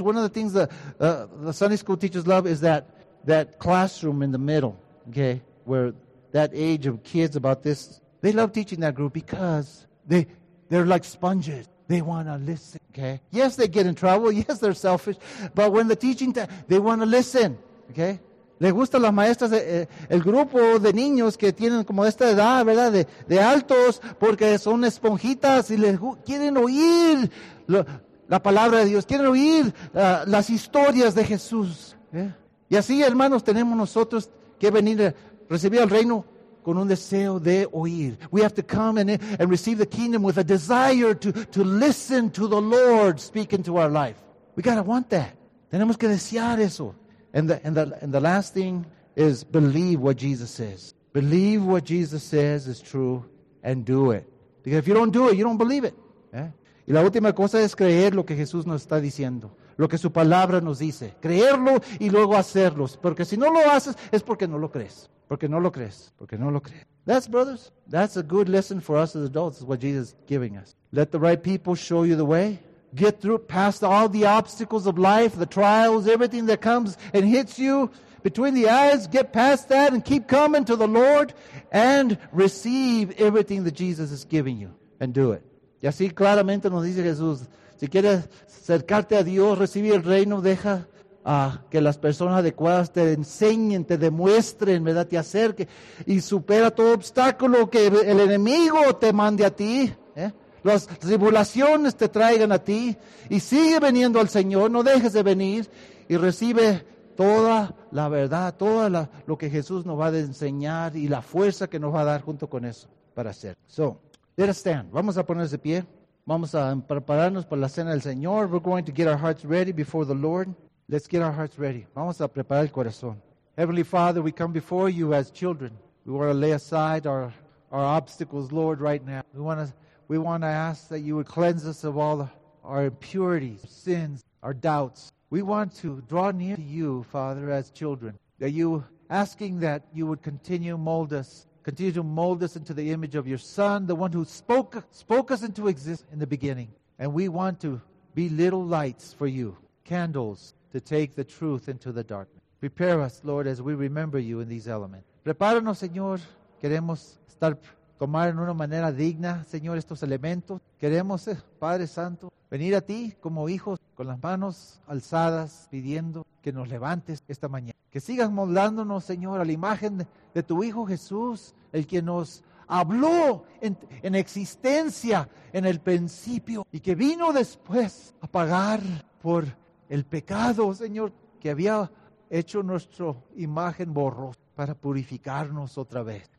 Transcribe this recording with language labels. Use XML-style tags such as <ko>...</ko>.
<en>One of the things the Sunday school teachers love is that classroom in the middle, okay, where that age of kids about this, they love teaching that group because they're like sponges. They want to listen, okay? Yes, they get in trouble. Yes, they're selfish. But when the teaching, they want to listen, okay?</en> <es>Le gusta las maestras, el grupo de niños que tienen como esta edad, ¿verdad? De altos, porque son esponjitas y les quieren oír la palabra de Dios. Quieren oír las historias de Jesús. Y así, hermanos, tenemos nosotros que venir a recibir el reino con un deseo de oír.</es> <en>We have to come and receive the kingdom with a desire to listen to the Lord speak into our life. We gotta want that.</en> <es>Tenemos que desear eso.</es> <en>And the last thing is believe what Jesus says. Believe what Jesus says is true and do it. Because if you don't do it, you don't believe it.</en> <es>¿Eh? Y la última cosa es creer lo que Jesús nos está diciendo. Lo que su palabra nos dice. Creerlo y luego hacerlo. Porque si no lo haces, es porque no lo crees. Porque no lo crees. Porque no lo crees.</es> <en>That's, brothers, that's a good lesson for us as adults, is what Jesus is giving us. Let the right people show you the way. Get through, past all the obstacles of life, the trials, everything that comes and hits you between the eyes. Get past that and keep coming to the Lord and receive everything that Jesus is giving you. And do it.</en> <es>Y así claramente nos dice Jesús, si quieres acercarte a Dios, recibir el reino, deja que las personas adecuadas te enseñen, te demuestren, ¿verdad? Te acerquen y supera todo obstáculo que el enemigo te mande a ti. Las tribulaciones te traigan a ti y sigue viniendo al Señor, no dejes de venir y recibe toda la verdad, toda lo que Jesús nos va a enseñar y la fuerza que nos va a dar junto con eso para hacer.</es> <en>So, let us stand.</en> <es>Vamos a ponerse de pie. Vamos a prepararnos para la cena del Señor.</es> <en>We're going to get our hearts ready before the Lord. Let's get our hearts ready.</en> <es>Vamos a preparar el corazón.</es> <en>Heavenly Father, we come before you as children. We want to lay aside our obstacles, Lord, right now. We want to ask that you would cleanse us of all our impurities, sins, our doubts. We want to draw near to you, Father, as children. That you, asking that you would continue to mold us into the image of your Son, the one who spoke us into existence in the beginning. And we want to be little lights for you, candles to take the truth into the darkness. Prepare us, Lord, as we remember you in these elements.</en> <es>Prepáranos, Señor. Queremos estar tomar en una manera digna, Señor, estos elementos. Queremos, Padre Santo, venir a ti como hijos con las manos alzadas, pidiendo que nos levantes esta mañana. Que sigas moldándonos, Señor, a la imagen de tu Hijo Jesús, el que nos habló en existencia en el principio y que vino después a pagar por el pecado, Señor, que había hecho nuestra imagen borrosa para purificarnos otra vez.</es>